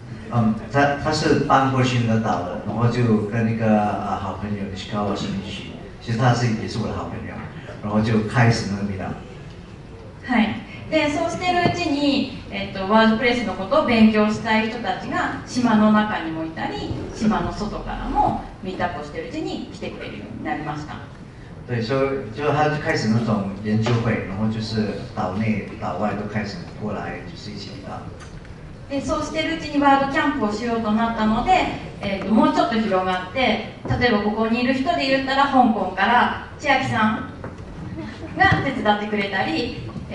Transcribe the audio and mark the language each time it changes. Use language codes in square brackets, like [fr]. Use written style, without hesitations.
[zh] 他是搬过去的岛的，然后就跟那个好朋友西川慎一，其实他是也是我的好朋友，然后就开始那个ミートアップ。 [ja] はい。でそうしているうちに、ワードプレスのことを勉強したい人たちが島の中にもいたり、島の外からもミートアップをしているうちに来てくれるようになりました。 [zh] 对，所以就他就开始那种研究会，然后就是岛内岛外都开始过来，就是一起的。 [ja] でそうしているうちにワードキャンプをしようとなったので、もうちょっと広がって、例えばここにいる人で言ったら香港から千秋さんが手伝ってくれたり。